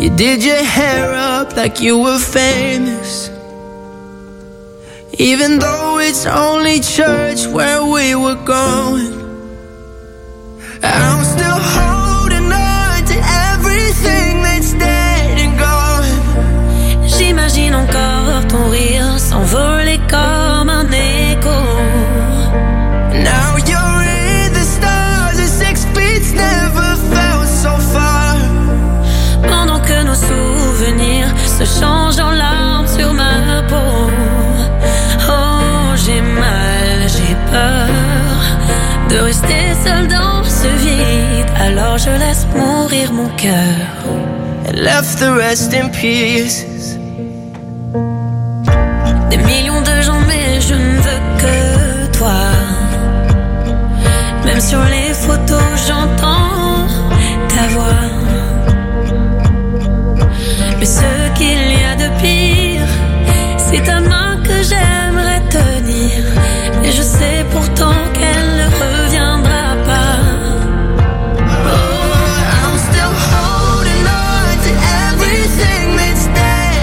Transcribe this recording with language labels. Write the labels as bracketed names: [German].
[English] You did your hair up like you were famous, even though it's only church where we were going. I'm still holding on to everything that's dead and gone. [French] J'imagine encore ton rire s'envoler comme un écho. [English] Now you're in the stars, the 6 feet's never felt so far. [French] Pendant que nos souvenirs se changent en larmes sur ma peau. Oh, j'ai mal, j'ai peur de rester seul dans ce vide. Alors je laisse mourir mon cœur. [English] And left the rest in pieces. [French] Des millions de gens, mais je ne veux que toi. Même sur les photos, j'entends ta voix. Mais ce qu'il y a de pire, c'est ta main que j'aimerais tenir. Et je sais pourtant qu'elle ne reviendra pas. [English] Oh, I'm still holding on to everything that's there.